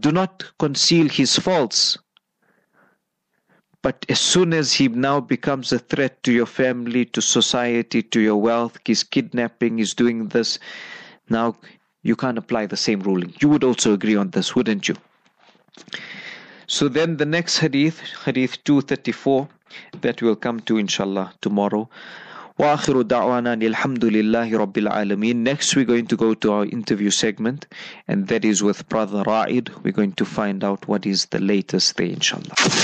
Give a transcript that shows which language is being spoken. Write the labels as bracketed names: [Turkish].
[English] Do not conceal his faults. But as soon as he now becomes a threat to your family, to society, to your wealth, he's kidnapping, he's doing this, now you can't apply the same ruling. You would also agree on this, wouldn't you? So then the next hadith, hadith 234, that we'll come to inshallah tomorrow. [Arabic] وآخر دعوانا الحمد لله رب العالمين. [English] Next we're going to go to our interview segment, and that is with Brother Ra'id. We're going to find out what is the latest there, inshallah.